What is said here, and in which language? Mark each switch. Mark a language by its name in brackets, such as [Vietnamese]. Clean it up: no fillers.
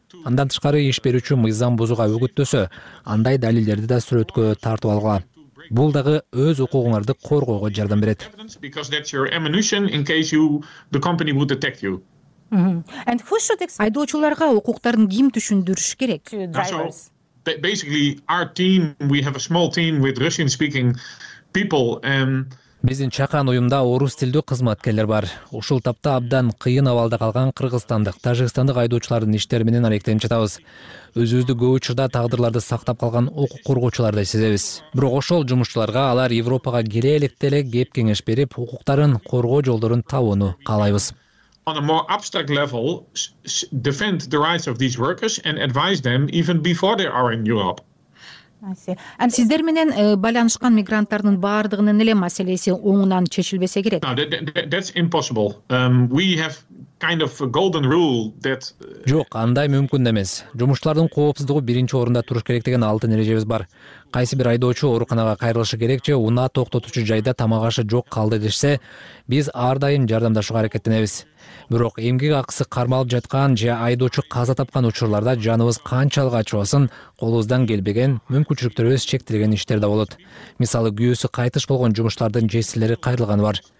[Kyrgyz] Андан тышкары иш берүүчү мыйзам бузууга үгүттөсө, андай далилдерди да сүрөткө тартып алгыла. Бул дагы өз укугуңарды коргоого жардам берет. Айдоочуларга укуктарын ким түшүндүрүш керек? [English] Basically our team, we have a small team with Russian speaking people and [Kyrgyz] биздин чакан уюмда орус тилдүү кызматкерлер бар. Ушул тапта абдан кыйын абалда калган кыргызстандык, тажикстандык айдоочулардын иштери менен алектенип жатабыз. Өзүбүздү көп учурда тагдырларды сактап калган укук коргоочуларды сезебиз. Бирок ошол жумушчуларга алар Европага келе электе эле кеп кеңеш берип, укуктарын коргоо жолдорун табууну каалайбыз. [English] On a more abstract level, defend the rights of these workers and advise them even before they are in Europe. [Kyrgyz] Сиздер менен байланышкан мигранттардын баардыгынын эле маселеси оңунан чечилбесе керек. [English] That's impossible. We have kind of a golden rule that [Kyrgyz] жок, андай мүмкүн эмес. Жумушчулардын коопсуздугу биринчи орунда туруш керек деген алтын эрежебиз бар. Кайсы бир айдоочу ооруканага кайрылышы керек же унаа токтотуучу жайда тамак ашы жок калды дешсе, биз ар дайым жардамдашууга аракеттенебиз. Бирок эмгек акысы кармалып жаткан же айдоочу каза тапкан учурларда жаныбыз канчалык ачыбасын, колубуздан келбеген мүмкүнчүлүктөрүбүз чектелген иштер да болот. Мисалы, күйөөсү кайтыш болгон жумушчулардын жесирлери кайрылганы бар.